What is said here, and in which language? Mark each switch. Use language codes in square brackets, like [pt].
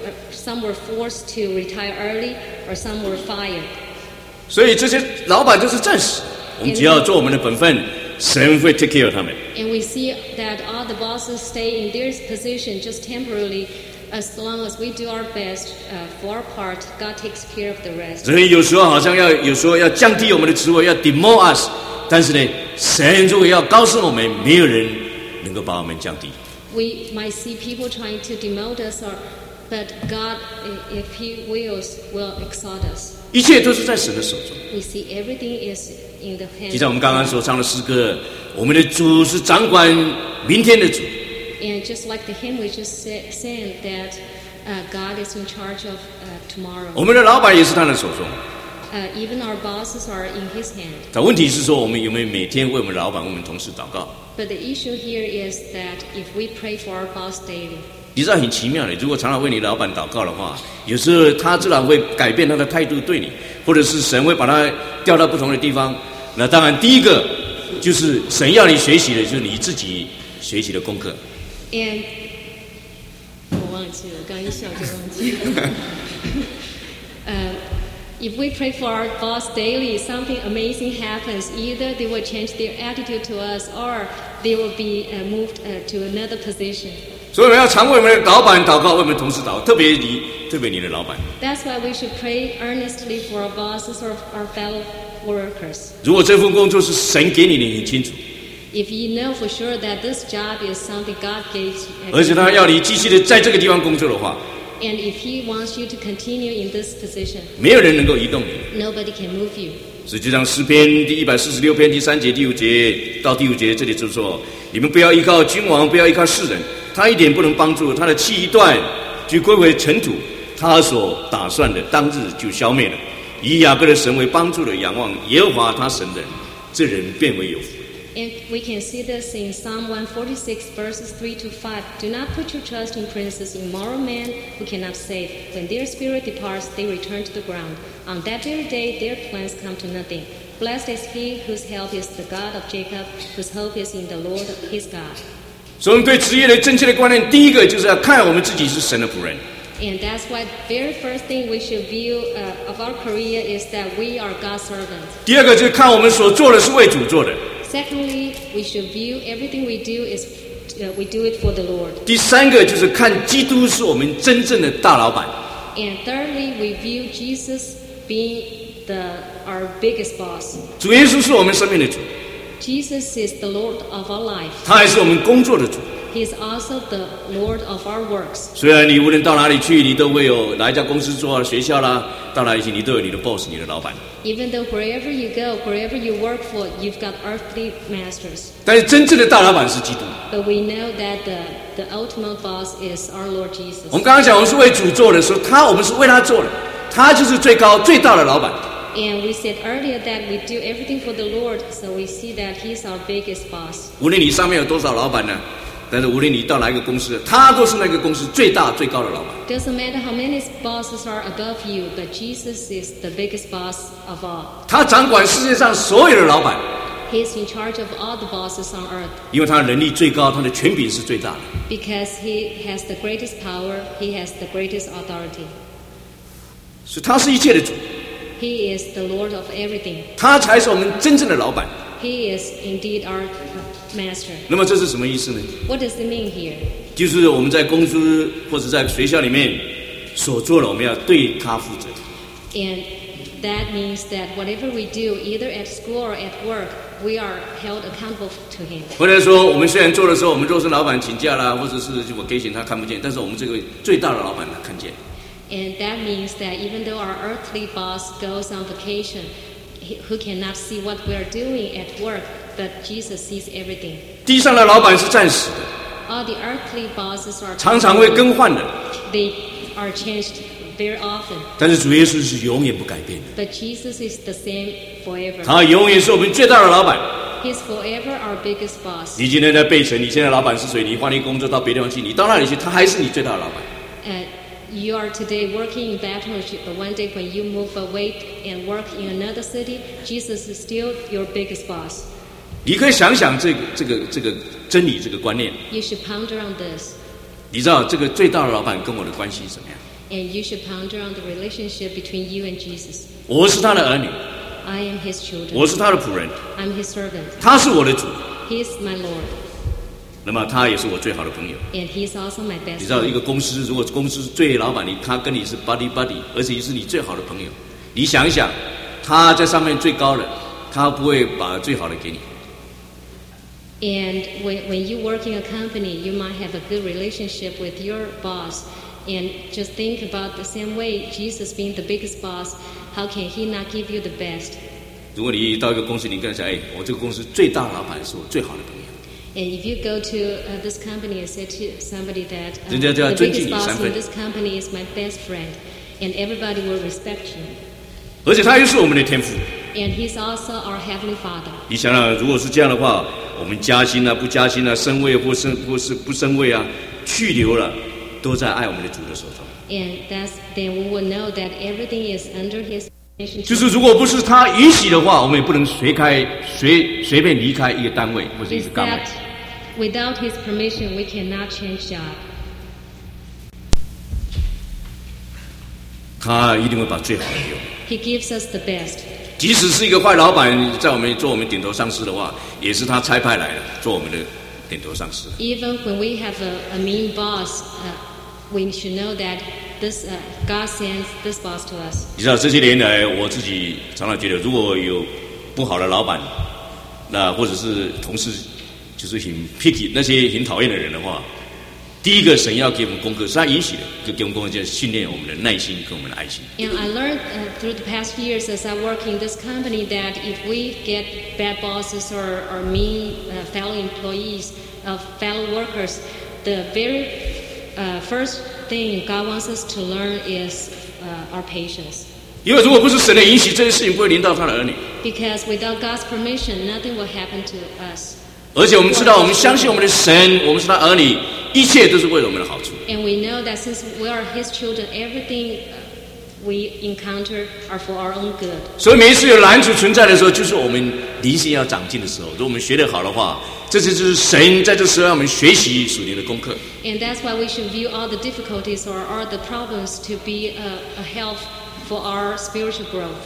[en] Some were forced to retire early, or some were fired. [zh] 所以这些老板就是战士，我们只要做我们的本分，神会 [en] take care [zh] 他们。 [en] And we see that all the bosses stay in their position just temporarily, as long as we do our best for our part, God takes care of the rest. [zh] 人有时候好像有时候要降低我们的职位，要 [en] demote us， [zh] 但是呢，神如果要高升我们，没有人能够把我们降低。 [en] We might see people trying to demote us, but God, if He wills, will exalt us. [zh] 一切都是在神的手中。 [en] We see everything is in the hands. [zh] 就像我们刚刚所唱的诗歌，我们的主是掌管明天的主。 [en] And just like the hymn we just sang, that God is in charge of tomorrow. [zh] 我们的老板也是他的手中。 [en] Even our bosses are in His hands. [zh] 但问题是说，我们有没有每天为我们老板、为我们同事祷告？ [en] But the issue here is that if we pray for our boss daily, [zh] 你知道很奇妙的，如果常常为你老板祷告的话，有时候他自然会改变他的态度对你，或者是神会把他调到不同的地方。那当然，第一个就是神要你学习的，就是你自己学习的功课。 And 我忘记了，刚一笑就忘记了。 [en] If we pray for our boss daily, something amazing happens. Either they will change their attitude to us, or they will be moved to another position. [zh] 所以我们要常为我们的老板祷告，为我们同事祷告，特别你的老板。 [en] That's why we should pray earnestly for our bosses or our fellow workers. [zh] 如果这份工作是神给你的，你清楚。 [en] If you know for sure that this job is something God gave you, [zh] 而且他要你继续的在这个地方工作的话。 [en] And if he wants you to continue in this position, [zh] 没有人能够移动你。 [en] Nobody can move you. [zh] 实际上，诗篇第一百四十六篇第三节、第五节到第五节，这里就说：你们不要依靠君王，不要依靠世人，他一点不能帮助，他的气一断，就归为尘土。他所打算的，当日就消灭了。以雅各的神为帮助的，仰望耶和华他神的人，这人变为有福。 [en] And we can see this in Psalm 146, verses 3 to 5. Do not put your trust in princes, in mortal men who cannot save. When their spirit departs, they return to the ground. On that very day, their plans come to nothing. Blessed is he whose help is the God of Jacob, whose hope is in the Lord his God. [zh] So, 我们对职业的正确的观念，第一个就是要看我们自己是神的仆人。 [en] And that's why the very first thing we should view of our career is that we are God's servant. [zh] 第二个就是看我们所做的是为主做的。 [en] Secondly, we should view everything we do is we do it for the Lord. [zh] 第三个就是看基督是我们真正的大老板。 [en] And thirdly, we view Jesus being our biggest boss. [zh] 主耶稣是我们生命的主。 [en] Jesus is the Lord of our life. [zh] 他还是我们工作的主。 [en] He is also the Lord of our works. [zh] 虽然你无论到哪里去，你都会有哪一家公司做啊，学校啦，到哪里去，你都有你的 boss， 你的老板。 [en] Even though wherever you go, wherever you work for, you've got earthly masters. [zh] 但是真正的大老板是基督。 [en] But we know that the ultimate boss is our Lord Jesus. [zh] 我们刚刚讲，我们是为主做的，说他，我们是为他做的，他就是最高最大的老板。 [en] And we said earlier that we do everything for the Lord, so we see that He's our biggest boss. [zh] 无论你上面有多少老板呢？但是无论你到哪一个公司，他都是那个公司最大最高的老板。 [en] Doesn't matter how many bosses are above you, but Jesus is the biggest boss of all. [zh] 他掌管世界上所有的老板。 [en] He's in charge of all the bosses on earth. [zh] 因为他能力最高，他的权柄是最大的。 [en] Because he has the greatest power, he has the greatest authority. [zh] 所以他是一切的主。 [en] He is the Lord of everything. [zh] 他才是我们真正的老板。 [en] He is indeed our master. [zh] 那么这是什么意思呢？ [en] What does it mean here? [zh] 就是我们在公司或者在学校里面所做的，我们要对他负责。 [en] And that means that whatever we do, either at school or at work, we are held accountable to him. [zh] 或者说，我们虽然做的时候，我们都是老板请假啦，或者是我给钱他看不见，但是我们这个最大的老板他看见。 [en] And that means that even though our earthly boss goes on vacation, who cannot see what we are doing at work, but Jesus sees everything. [zh] 地上的老板是暂时的。 [en] All the earthly bosses are [zh] 常常会更换的。 [en] They are changed very often. [zh] 但是主耶稣是永远不改变的。 [en] But Jesus is the same forever. [zh] 他永远是我们最大的老板。 [en] He's forever our biggest boss. [zh] 你今天在被神，你现在老板是谁？你换一个工作到别地方去，你到那里去，他还是你最大的老板。 [en] You are today working in Bethlehem, but one day when you move away and work in another city, Jesus is still your biggest boss. [zh] 你可以想想这个真理这个观念。 [en] You should ponder on this. [zh] 你知道这个最大的老板跟我的关系是怎么样？ [en] And you should ponder on the relationship between you and Jesus. [zh] 我是他的儿女。 [en] I am his children. [zh] 我是他的仆人。 [en] I'm his servant. [zh] 他是我的主。 [en] He is my Lord. [zh] 那么他也是我最好的朋友。 [en] And he's also my best. [zh] 你知道一个公司，如果公司最老板，他跟你是 [en] buddy buddy， [zh] 而且是你最好的朋友。你想一想，他在上面最高的，他不会把最好的给你。 [en] And when you work in a company, you might have a good relationship with your boss. And just think about the same way Jesus being the biggest boss, how can he not give you the best? [zh] 如果你到一个公司，你跟他讲，哎，我这个公司最大的老板是我最好的朋友。 [en] And if you go to this company and say to somebody that the biggest boss in this company is my best friend, and everybody will respect you. [zh] 而且他又是我们的天父。 [en] And he's also our heavenly father. [zh] 你想想，如果是这样的话，我们加薪啊、不加薪啊、升位或是不升位啊、去留了，都在爱我们的主的手中。 [en] And that's then we will know that everything is under his. [zh] 就是如果不是他允许的话，我们也不能随便离开一个单位或者一个岗位。 [en] Is that without his permission, we cannot change job. [zh] 他一定会把最好的给我们。 [en] He gives us the best. [zh] 即使是一个坏老板在我们做我们顶头上司的话，也是他差派来的做我们的顶头上司。 [en] Even when we have a mean boss, we should know that. God sends this boss to us. [zh] 你知道这些年来，我自己常常觉得，如果有不好的老板，那或者是同事，就是很 [en] picky [zh] 那些很讨厌的人的话，第一个神要给我们功课，是他允许的，就给我们功课，就是训练我们的耐心跟我们的爱心。 [en] And I learned through the past years as I work in this company that if we get bad bosses or mean fellow employees of fellow workers, the very first. Thing God wants us to learn is our patience. [zh] 因为如果不是神的允许，这些事情不会临到他的儿女。 [en] Because without God's permission, nothing will happen to us. [zh] 而且我们知道，我们相信我们的神，我们是他儿女，一切都是为了我们的好处。 [en] And we know that since we are His children, everything we encounter are for our own good. [zh] 所以每一次有拦阻存在的时候，就是我们灵性要长进的时候。如果我们学得好的话。这就是神在这时候让我们学习属灵的功课。 [en] And that's why we should view all the difficulties or all the problems to be a help for our spiritual growth.